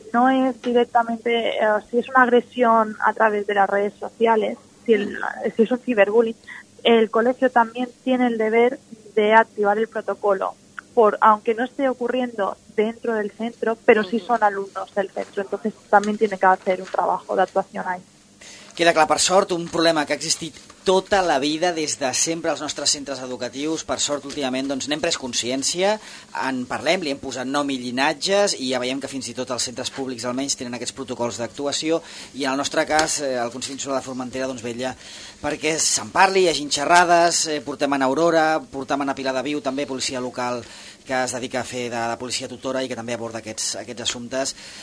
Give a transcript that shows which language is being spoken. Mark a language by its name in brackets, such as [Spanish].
[Catalan] Si és una agressió a través de les redes socials, si és un ciberbullying, el col·legio també [Spanish] té el deber de activar [Catalan] el protocol. [Spanish] Aunque no esté ocurriendo dentro del centro, pero sí son alumnos del centro, entonces también tiene que hacer un trabajo de actuación ahí. [Catalan] Queda clar, per sort, un problema que ha existit tota la vida, des de sempre als nostres centres educatius, per sort últimament doncs n'hem pres consciència, en parlem, li hem posat nom i llinatges i ja veiem que fins i tot els centres públics almenys tenen aquests protocols d'actuació i en el nostre cas el Consell Insular de Formentera doncs vetlla perquè se'n parli, hi hagi xerrades, portem en Aurora, portem en a Pilar de Viu també policia local que es dedica a fer de policia tutora i que també aborda aquests assumptes.